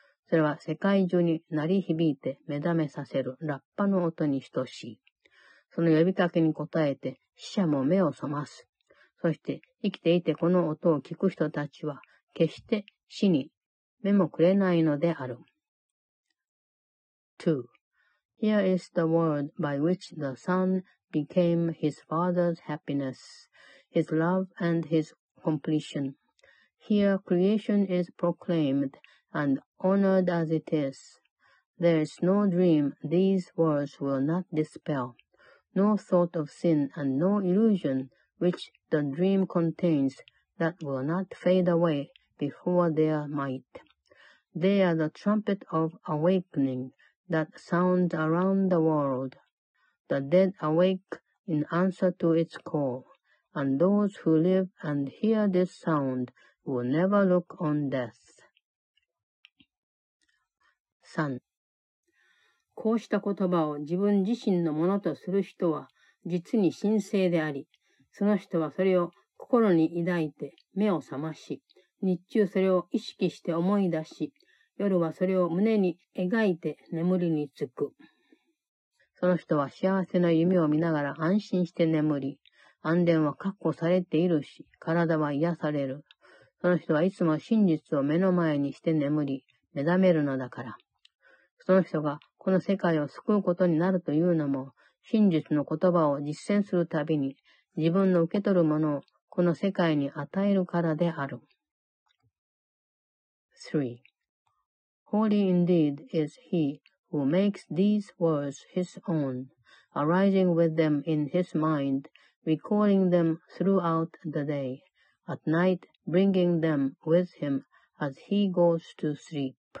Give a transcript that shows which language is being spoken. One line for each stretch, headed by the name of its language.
Japanese: それは世界中に鳴り響いて目覚めさせるラッパの音に等しい。その呼びかけに応えて死者も目を覚ます。そして生きていてこの音を聞く人たちは決して死に目もくれないのである。
English: 2. Here is the word by which the son became his father's happiness. His love and his completion. Here creation is proclaimed and honored as it is. There is no dream these words will not dispel, no thought of sin and no illusion which the dream contains that will not fade away before their might. They are the trumpet of awakening that sounds around the world. The dead awake in answer to its call. And those who live and hear this sound will never look on death.3.
Japanese: こうした言葉を自分自身のものとする人は実に神聖であり、その人はそれを心に抱いて目を覚まし、日中それを意識して思い出し、夜はそれを胸に描いて眠りにつく。その人は幸せな夢を見ながら安心して眠り、安全は確保されているし、体は癒される。その人はいつも真実を目の前にして眠り、目覚めるのだから。その人がこの世界を救うことになるというのも、真実の言葉を実践するたびに、自分の受け取るものをこの世界に与えるからである。
English: 3. Holy indeed is he who makes these words his own, arising with them in his mind,recalling them throughout the day, at night bringing them with him as he goes to sleep.